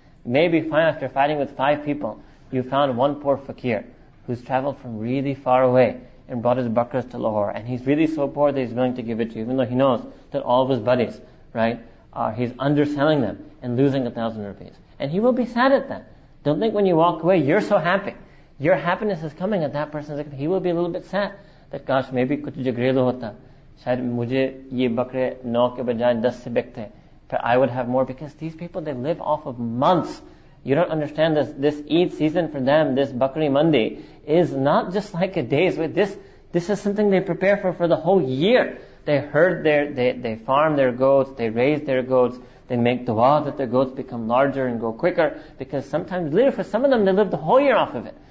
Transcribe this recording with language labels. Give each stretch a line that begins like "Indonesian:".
English: Maybe fine, after fighting with five people, you found one poor fakir who's traveled from really far away and brought his bakras to Lahore, and he's really so poor that he's willing to give it to you, even though he knows that all of his buddies, right, he's underselling them and losing 1,000 rupees. And he will be sad at that. Don't think when you walk away, you're so happy. Your happiness is coming at that person's account. He will be a little bit sad that, gosh, maybe
Urdu: kuch jagreel hota. شاید مجھے یہ بکرے 9 کے بجائے 10 سے بکتے۔
English: But I would have more, because these people, they live off of months. You don't understand this Eid season for them, this Bakri Mandi, is not just like a day's wait. This is something they prepare for the whole year. They herd they farm their goats, they raise their goats, they make dua that their goats become larger and go quicker, because sometimes, literally for some of them, they live the whole year off of it.